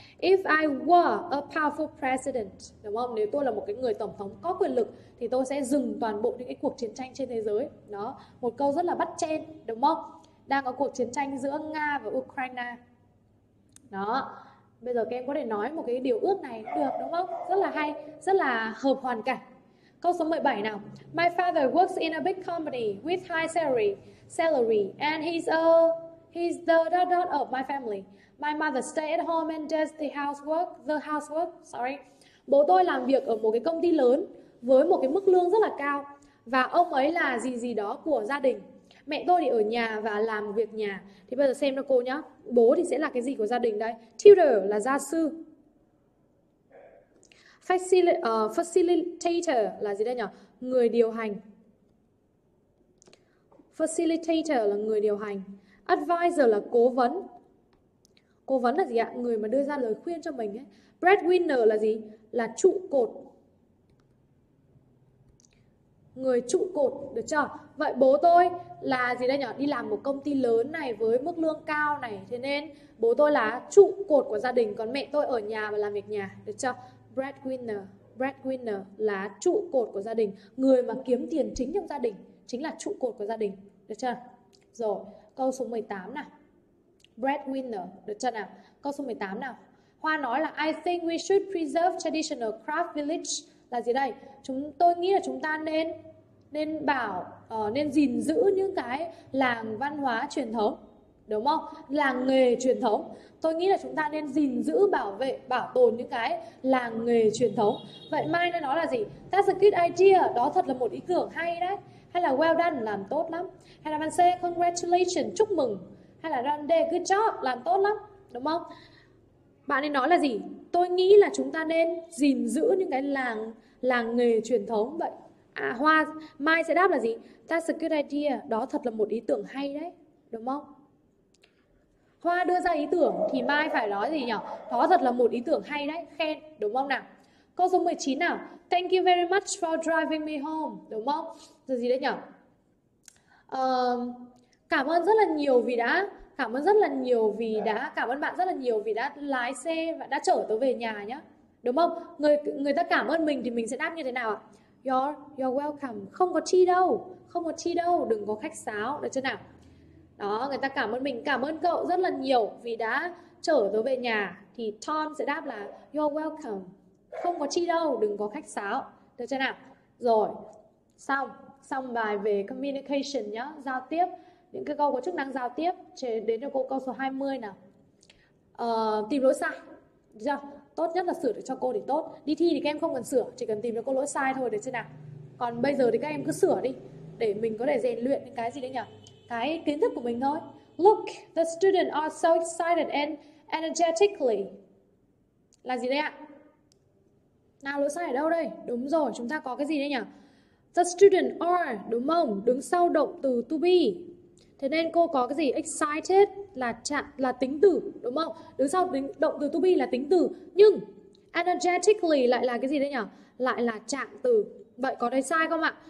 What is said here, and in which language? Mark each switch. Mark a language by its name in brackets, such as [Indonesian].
[English] If I were a powerful president, [Vietnamese] đúng không? Nếu tôi là một cái người tổng thống có quyền lực thì tôi sẽ dừng toàn bộ những cái cuộc chiến tranh trên thế giới. Đó, một câu rất là bắt chen, đúng không? Đang có cuộc chiến tranh giữa Nga và Ukraine. Đó. Bây giờ các em có thể nói một cái điều ước này được, đúng không? Rất là hay, rất là hợp hoàn cảnh. Câu số 17 nào. [English] My father works in a big company with high salary and he's the dot dot of my family. My mother stay at home and does the housework. [Vietnamese] Bố tôi làm việc ở một cái công ty lớn với một cái mức lương rất là cao và ông ấy là gì gì đó của gia đình. Mẹ tôi thì ở nhà và làm việc nhà. Thì bây giờ xem cho cô nhá. Bố thì sẽ là cái gì của gia đình đây? Tutor là gia sư. Facilitator là gì đây nhỉ? Người điều hành. Facilitator là người điều hành. Advisor là cố vấn. Cố vấn là gì ạ? Người mà đưa ra lời khuyên cho mình ấy. Breadwinner là gì? Là trụ cột. Người trụ cột, được chưa? Vậy bố tôi là gì đây nhỉ? Đi làm một công ty lớn này với mức lương cao này, thế nên bố tôi là trụ cột của gia đình, còn mẹ tôi ở nhà và làm việc nhà, được chưa? Breadwinner là trụ cột của gia đình, người mà kiếm tiền chính trong gia đình, chính là trụ cột của gia đình, được chưa? Rồi, câu số 18 nào. Breadwinner, được chưa nào? Câu số 18 nào. [English] Hoa [Vietnamese] nói là [English] I think we should preserve traditional craft village. [Vietnamese] Là gì đây? Chúng tôi nghĩ là chúng ta nên nên bảo nên gìn giữ những cái làng văn hóa truyền thống. đúng không? Làng nghề truyền thống. Tôi nghĩ là chúng ta nên gìn giữ, bảo vệ, bảo tồn những cái làng nghề truyền thống. Vậy Mai nói là gì? [English] That's a good idea. [Vietnamese] Đó thật là một ý tưởng hay đấy. Hay là [English] well done, [Vietnamese] làm tốt lắm. Hay là bạn C, congratulations, chúc mừng. Hay là done day, [English] good job, [Vietnamese] làm tốt lắm. Đúng không? Bạn ấy nói là gì? Tôi nghĩ là chúng ta nên gìn giữ những cái làng nghề truyền thống. Vậy à, Hoa, Mai sẽ đáp là gì? [English] That's a good idea. [Vietnamese] Đó thật là một ý tưởng hay đấy. Đúng không? Hoa đưa ra ý tưởng thì Mai phải nói gì nhỉ? Đó thật là một ý tưởng hay đấy, khen, đúng không nào? Câu số 19 nào? [English] Thank you very much for driving me home, [Vietnamese] đúng không? Rồi gì đấy nhỉ? Cảm ơn rất là nhiều vì đã cảm ơn rất là nhiều vì đã cảm ơn bạn rất là nhiều vì đã lái xe và đã chở tôi về nhà nhá. Đúng không? Người ta cảm ơn mình thì mình sẽ đáp như thế nào ạ? [English] You're welcome. [Vietnamese] Không có chi đâu, không có chi đâu, đừng có khách sáo, được chưa nào? Đó, người ta cảm ơn mình, cảm ơn cậu rất là nhiều vì đã chở tôi về nhà. Thì Tom sẽ đáp là [English] You're welcome. [Vietnamese] Không có chi đâu, đừng có khách sáo. Được chưa nào? Rồi, xong. Xong bài về communication nhá, giao tiếp. Những cái câu có chức năng giao tiếp. Chế đến cho cô câu số 20 nào. Tìm lỗi sai. Được chưa? Tốt nhất là sửa được cho cô thì tốt. Đi thi thì các em không cần sửa, chỉ cần tìm cho cô lỗi sai thôi, được chưa nào? Còn bây giờ thì các em cứ sửa đi, để mình có thể rèn luyện những cái gì đấy nhỉ? Cái kiến thức của mình thôi. [English] Look, the student are so excited and energetically. [Vietnamese] Là gì đây ạ? Nào, lỗi sai ở đâu đây? Đúng rồi, chúng ta có cái gì đây nhỉ? [English] The student are, [Vietnamese] đúng không? Đứng sau động từ to be. Thế nên cô có cái gì? Excited là tính từ, đúng không? Đứng sau động từ to be là tính từ. Nhưng energetically lại là cái gì đây nhỉ? Lại là trạng từ. Vậy có thấy sai không ạ?